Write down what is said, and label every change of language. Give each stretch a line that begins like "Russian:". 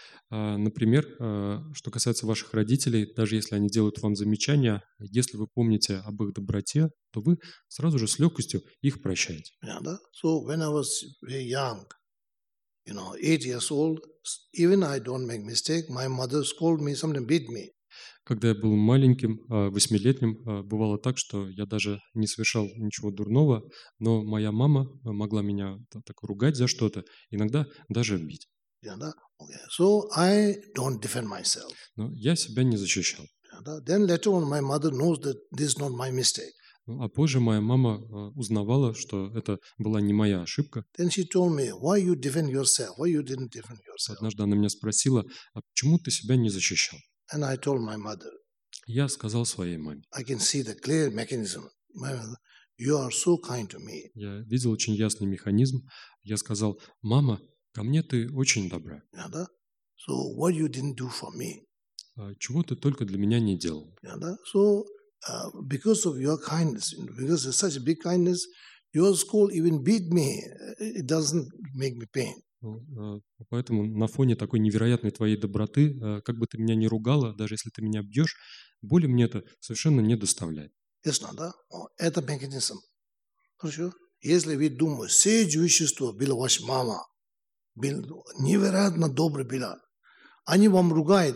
Russian: Например, что касается ваших родителей, даже если они делают вам замечания, если вы помните об их доброте, то вы сразу же с легкостью их прощаете.
English: Yeah,
Russian: да?
English: So when I was very young, you know, 8 years old, even I don't make mistake, my mother scold me, sometimes beat me.
Russian: Когда я был маленьким, 8-летним, бывало так, что я даже не совершал ничего дурного, но моя мама могла меня так ругать за что-то, иногда даже бить.
English: So I don't defend myself.
Russian: Но я себя не защищал.
English: Then later on my mother knows that this is not my mistake.
Russian: А позже моя мама узнавала, что это была не моя ошибка.
English: Then she told me, why you defend yourself? Why you didn't defend yourself?
Russian: Однажды она меня спросила, а почему ты себя не защищал?
English: And I told my mother.
Russian: Я сказал своей маме.
English: I can see the clear mechanism. My mother, you are so kind to me.
Russian: Я видел очень ясный механизм. Я сказал, мама, ко мне ты очень добра.
English: Yeah,
Russian: да?
English: So what you didn't do for me?
Russian: Чего ты только для меня не делал?
English: Yeah,
Russian: да?
English: So because of your kindness, because of such big kindness, your school even beat me. It doesn't make me pain.
Russian: Поэтому на фоне такой невероятной твоей доброты, как бы ты меня ни ругала, даже если ты меня бьешь, боли мне это совершенно не доставляет. Ясно, да? Это механизм. Хорошо? Если вы думаете, все чувства была ваша мама, невероятно добрая была, они вам ругают.